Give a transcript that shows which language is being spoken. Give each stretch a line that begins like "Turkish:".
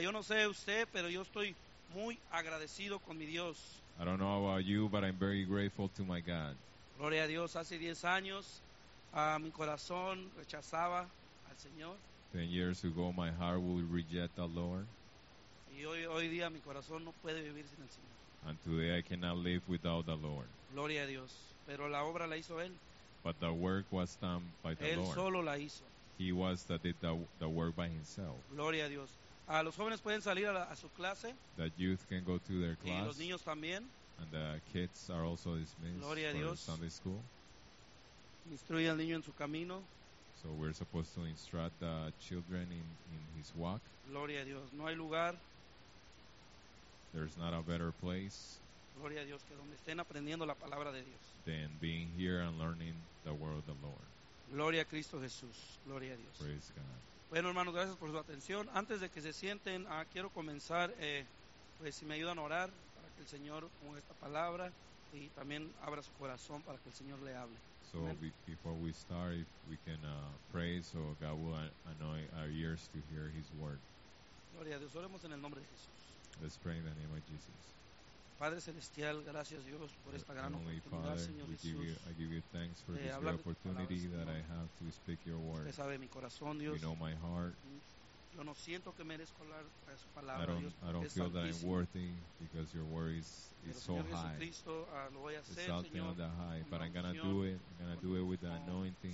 Spanish: Yo no sé usted, pero yo estoy muy agradecido con mi Dios.
English: I don't know about you, but I'm very grateful to my God.
Spanish: Gloria a Dios. Hace 10 años, mi corazón rechazaba al Señor.
English: 10 years ago, my heart would reject the Lord.
Spanish: Y hoy día, mi corazón no puede vivir sin el Señor.
English: And today, I cannot live without the Lord.
Spanish: Gloria a Dios. Pero la obra la hizo Él.
English: But the work was done by the
Spanish: Él
English: Lord.
Spanish: Él solo la hizo.
English: He was that did the work by himself.
Spanish: Gloria a Dios. A los jóvenes pueden salir a su clase.
English: The youth can go to their class.
Spanish: Y los niños también.
English: And the kids are also dismissed.
Spanish: Gloria a Dios.
English: From Sunday school.
Spanish: Instruye al niño en su camino.
English: So we're supposed to instruct the children in his walk.
Spanish: Gloria a Dios. No hay lugar.
English: There's not a better place.
Spanish: Gloria a Dios, que donde estén aprendiendo la palabra de Dios.
English: Than being here and learning the word of the Lord.
Spanish: Gloria a Cristo Jesús. Gloria a Dios.
English: Praise God.
Spanish: Bueno, hermanos, gracias por su atención. Antes de que se sienten, quiero comenzar, pues si me ayudan a orar para que el Señor ponga esta palabra y también abra su corazón para que el Señor le hable.
English: So before we start, if we can pray so God will anoint our ears to hear His word.
Spanish: Gloria a Dios. Oremos en el nombre de Jesús.
English: Let's pray in the name of Jesus.
Spanish: Padre celestial, gracias Dios por esta gran oportunidad,
English: Father,
Spanish: Señor Jesús.
English: I give you thanks for this great opportunity that I have to speak your word.
Spanish: Usted sabe mi corazón, Dios.
English: You know my heart.
Spanish: Yo no siento que merezco hablar a su palabra, Dios.
English: I don't feel
Spanish: santísimo.
English: That I'm worthy because your word is so high.
Spanish: Lo voy a hacer,
English: it's something
Spanish: Señor,
English: on the high, but I'm going to do it. I'm going to do it with the anointing.